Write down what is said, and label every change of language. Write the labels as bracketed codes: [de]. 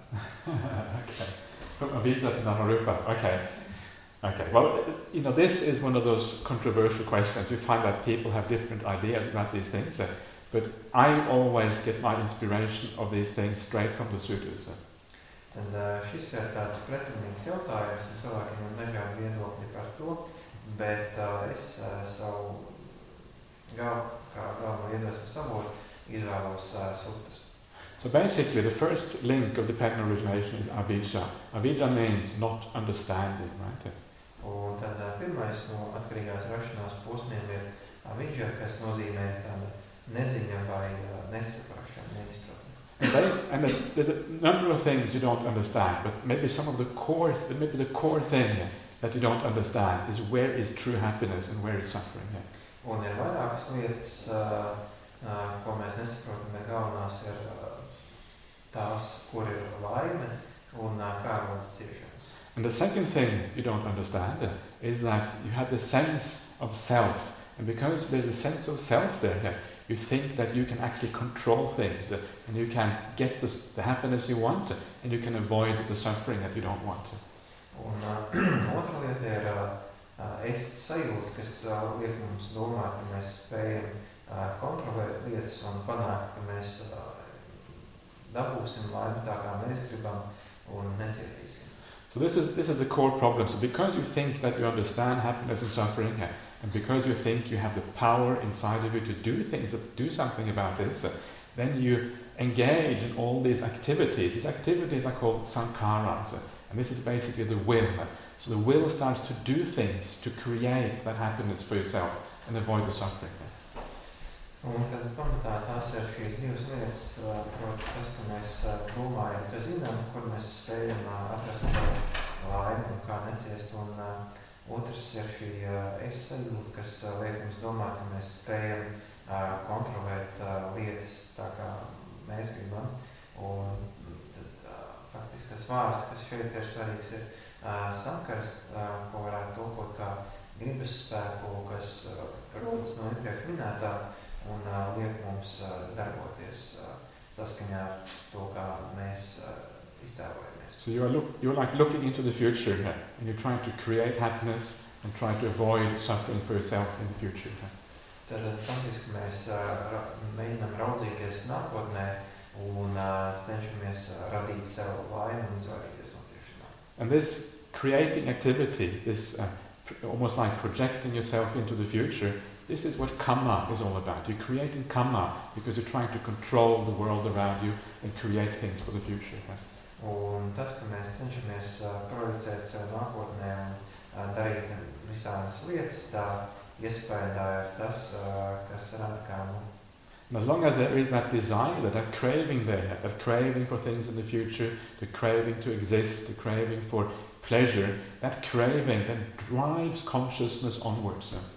[en] Okay. From avidya to nama rupa. Okay. Okay, well, you know, this is one of those controversial questions. You find that people have different ideas about these things. But I always get my inspiration of these things straight from the suttas. [lv] And šis ir tāds pretinīgs jautājums, un cilvēkiem ir dažādi viedokļi par to, bet es savu galveno iedvesmu savu izvēlos suttas. [en] So basically, the first link of dependent origination is avidya. Avidya means not understanding, right? [lv] Un tad pirmais no atkarīgās rašanās posmiem ir avidya, kas nozīmē tāda neziņa vai nesaprašana, neizpratne. [en] And there's a number of things you don't understand, but maybe some of the core, maybe the core thing that you don't understand is where is true happiness and where is suffering. Yeah. [lv] Un ir vairākas lietas, ko mēs nesaprotam, bet galvenās ir tās, kur ir laime un kā ir mums ciešana. [en] And the second thing you don't understand is that you have the sense of self. And because there's a sense of self there, you think that you can actually control things and you can get the happiness you want and you can avoid the suffering that you don't want. [lv] Un otra lieta ir es sajūta, kas liek mums domāt, ka mēs spējam kontrolēt lietas un panākt, ka mēs dabūsim laimi tā, kā mēs gribam un necietīsim. [en] So this is the core problem. So because you think that you understand happiness and suffering, and because you think you have the power inside of you to do things, to do something about this, then you engage in all these activities. These activities are called sankharas, and this is basically the will. So the will starts to do things to create that happiness for yourself and avoid the suffering. [lv] Un tad pamatā tās ir šīs divas lietas, proti tas, ka mēs domājam, ka zinām, kur mēs spējam atrast laimi un kā neciest, un otrs ir šī esajūta, kas liek mums domāt, ka mēs spējam kontrolēt lietas tā, kā mēs gribam. Un tad faktiski tas vārds, kas šeit ir svarīgs, ir sankars, ko varētu tulkot kā gribas spēku, kas rodas no iepriekš minētā, un liek mums darboties saskaņā ar to, kā mēs iztēlojamies. [en] So you're like looking into the future, and you're trying to create happiness and try to avoid suffering for yourself in the future. [lv] Tad faktiski mēs mēģinām raudzīties nākotnē un cenšamies radīt sev laimi un izvairīties no ciešanām. [en] And this creating activity, this almost like projecting yourself into the future, this is what karma is all about. You're creating karma because you're trying to control the world around you and create things for the future. [lv] Un tas, ka mēs cenšamies projicēt savu nākotnē un darīt visādas lietas, tā iespējā ir tas, kas rada karmu. [en] And as long as there is that desire, that craving there, that craving for things in the future, the craving to exist, the craving for pleasure, that craving then drives consciousness onwards.